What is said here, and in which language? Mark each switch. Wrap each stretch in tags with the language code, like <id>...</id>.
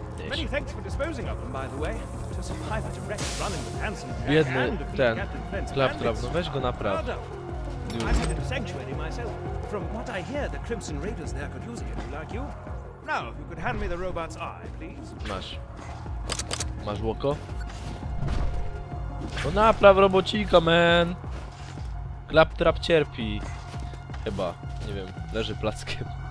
<en>Many thanks for disposing of them, by the way. To some private direct running with handsome...</en> <pl>Biedny ten Claptrap, no weź go napraw.</pl> <en>I'm in the sanctuary myself. From what I hear, the Crimson Raiders there could use it, like you. Now, if you could hand me the robot's eye, please.</en> <pl>Masz. Masz łoko? To napraw robocika, man! Claptrap cierpi. Chyba. Nie wiem. Leży plackiem.</pl>